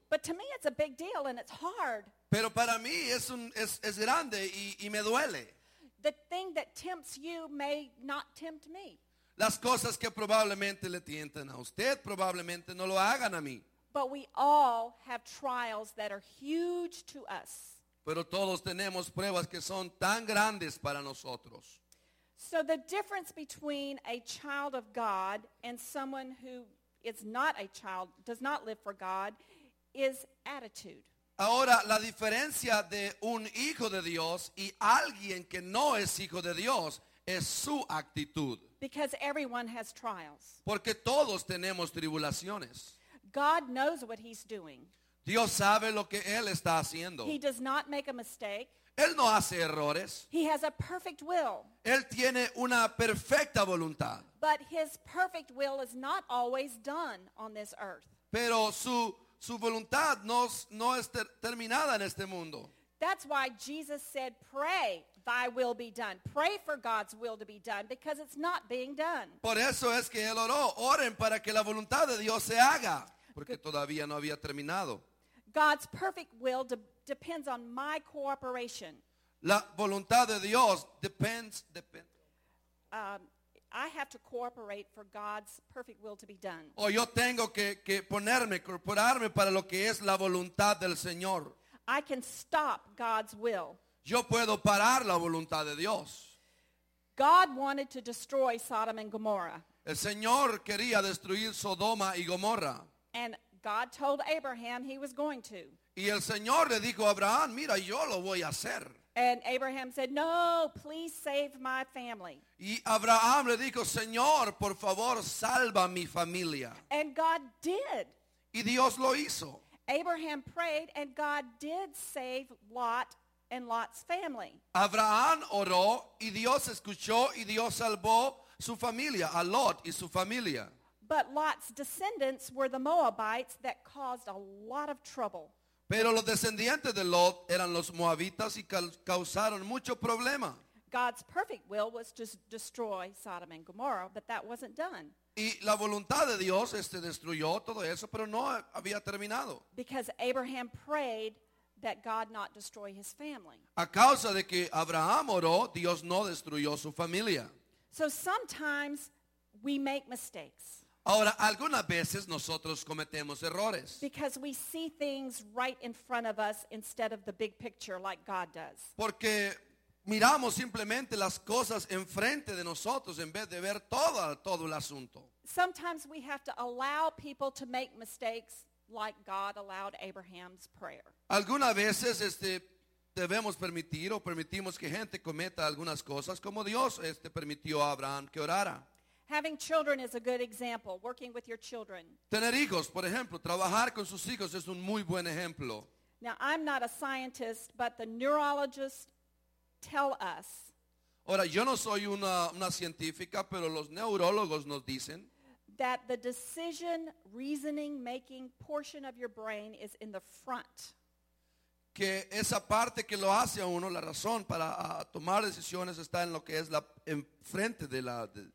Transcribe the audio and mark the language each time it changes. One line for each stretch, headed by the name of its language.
English: But to me it's a big deal and it's hard.
Spanish: Pero para mí es grande y me duele.
English: The thing that tempts you may not tempt me.
Spanish: Las cosas que probablemente le tientan a usted probablemente no lo hagan a mí.
English: But we all have trials that are huge to us.
Spanish: Pero todos tenemos pruebas que son tan grandes para nosotros.
English: So the difference between a child of God and someone who is not a child, does not live for God, is attitude.
Spanish: Ahora, la diferencia de un hijo de Dios y alguien que no es hijo de Dios es su actitud.
English: Because everyone has trials.
Spanish: Porque todos tenemos tribulaciones.
English: God knows what he's doing.
Spanish: Dios sabe lo que él está haciendo.
English: He does not make a mistake.
Spanish: Él no hace errores.
English: He has a perfect will.
Spanish: Él tiene una perfecta voluntad.
English: But his perfect will is not always done on this earth.
Spanish: Pero su voluntad no es terminada en este mundo.
English: That's why Jesus said, pray, thy will be done. Pray for God's will to be done because it's not being done.
Spanish: Por eso es que él oró, oren para que la voluntad de Dios se haga. Porque todavía no había terminado.
English: God's perfect will depends on my cooperation.
Spanish: La voluntad de Dios depende.
English: I have to cooperate for God's perfect will to be done.
Spanish: O yo tengo que ponerme, incorporarme para lo que es la voluntad del Señor.
English: I can stop God's will.
Spanish: Yo puedo parar la voluntad de Dios.
English: God wanted to destroy Sodom and Gomorrah.
Spanish: El Señor quería destruir Sodoma y Gomorra.
English: And God told Abraham he was going to.
Spanish: Y el Señor le dijo a Abraham, mira, yo lo voy a hacer.
English: And Abraham said, no, please save my family.
Spanish: Y Abraham le dijo, Señor, por favor, salva mi familia.
English: And God did.
Spanish: Y Dios lo hizo.
English: Abraham prayed and God did save Lot and Lot's family.
Spanish: Abraham oró y Dios escuchó y Dios salvó su familia, a Lot y su familia.
English: But Lot's descendants were the Moabites that caused a lot of trouble.
Spanish: Pero los descendientes de Lot eran los Moabitas y causaron mucho problema.
English: God's perfect will was to destroy Sodom and Gomorrah, but that wasn't done.
Spanish: Y la voluntad de Dios destruyó todo eso, pero no había terminado.
English: Because Abraham prayed that God not destroy his family.
Spanish: A causa de que Abraham oró, Dios no destruyó su familia.
English: So sometimes we make mistakes.
Spanish: Ahora, algunas veces nosotros cometemos errores.
English: Because we see things right in front of us instead of the big picture like God does.
Spanish: Porque miramos simplemente las cosas enfrente de nosotros en vez de ver todo el asunto.
English: Sometimes we have to allow people to make mistakes like God allowed Abraham's prayer.
Spanish: Algunas veces debemos permitir o permitimos que gente cometa algunas cosas como Dios permitió a Abraham que orara.
English: Having children is a good example, working with your children.
Spanish: Tener hijos, por ejemplo, trabajar con sus hijos es un muy buen ejemplo.
English: Now, I'm not a scientist, but the neurologists tell us.
Spanish: Ahora, yo no soy una científica, pero los neurólogos nos dicen.
English: That the decision, reasoning, making portion of your brain is in the front.
Spanish: Que esa parte que lo hace a uno, la razón para tomar decisiones está en lo que es la enfrente de la...